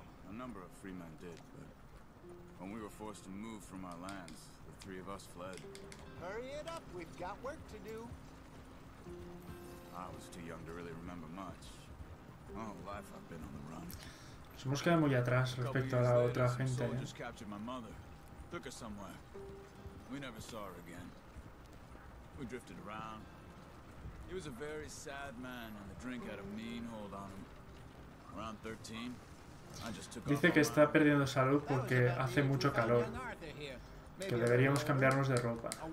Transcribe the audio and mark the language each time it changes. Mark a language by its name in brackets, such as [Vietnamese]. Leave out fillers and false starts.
[English] A number of free men did, but when we were forced to move from our lands, the three of us fled. Hurry it up, we've got work to do. I was too young to really remember much. Oh, life I've been on the run. [Spanish] Nos hemos quedado muy atrás respecto a la otra gente, ¿eh? [English] We never saw her again. We drifted around. He was a very sad man, and the drink had a mean hold on him. Around 13, I just took off. [Spanish] Dice que está perdiendo salud porque hace mucho calor. Que deberíamos cambiarnos de ropa.